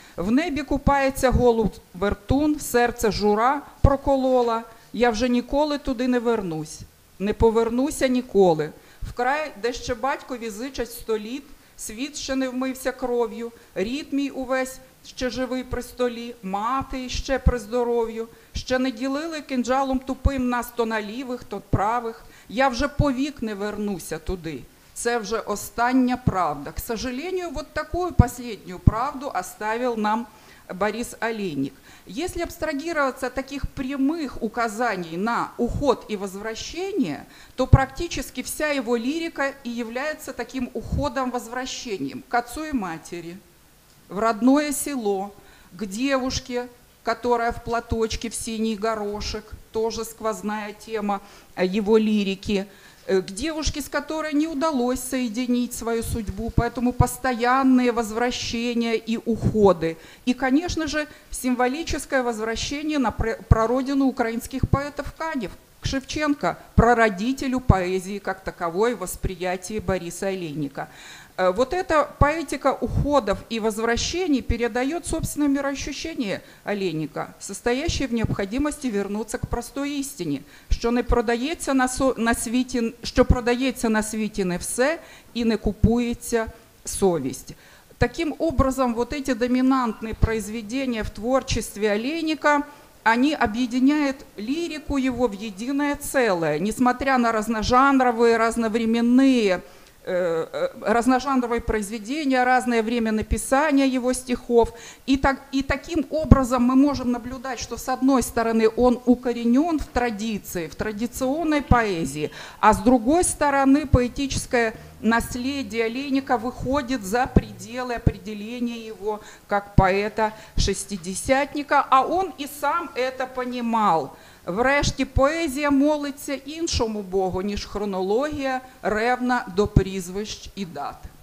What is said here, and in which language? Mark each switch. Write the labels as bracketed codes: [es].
[uk] «В небі купається голубь вертун, серце жура проколола, я вже ніколи туди не вернусь, не повернуся ніколи. В край, де ще батько візичать 100 літ, свідчений вмився кров'ю, рід мій увесь ще живий при столі, мати ще при здоров'ю, ще не ділили кинджалом тупим нас то на лівих, то правих, я вже повік не вернуся туди. Це вже остання правда. [ru] К сожалению, вот такую последнюю правду оставил нам Борис Олейник. Если абстрагироваться от таких прямых указаний на уход и возвращение, то практически вся его лирика и является таким уходом-возвращением к отцу и матери, в родное село, к девушке, которая в платочке, в синий горошек, тоже сквозная тема его лирики, к девушке, с которой не удалось соединить свою судьбу, поэтому постоянные возвращения и уходы. И, конечно же, символическое возвращение на прародину украинских поэтов Канев, к Шевченко, прародителю поэзии как таковой, восприятии Бориса Олейника. Вот эта поэтика уходов и возвращений передает собственное мироощущение Олейника, состоящее в необходимости вернуться к простой истине, [uk] що не продається на світі, що продається на світі не все і не купується совість. [ru] Таким образом, вот эти доминантные произведения в творчестве Олейника, они объединяют лирику его в единое целое, несмотря на разножанровые, разновременные, разножанровые произведения, разное время написания его стихов. И таким образом мы можем наблюдать, что с одной стороны он укоренен в традиции, в традиционной поэзии, а с другой стороны поэтическое наследие Олейника выходит за пределы определения его как поэта-шестидесятника, а он и сам это понимал. [uk] Врешті поезія молиться іншому Богу, ніж хронологія, ревна до прізвищ і дат.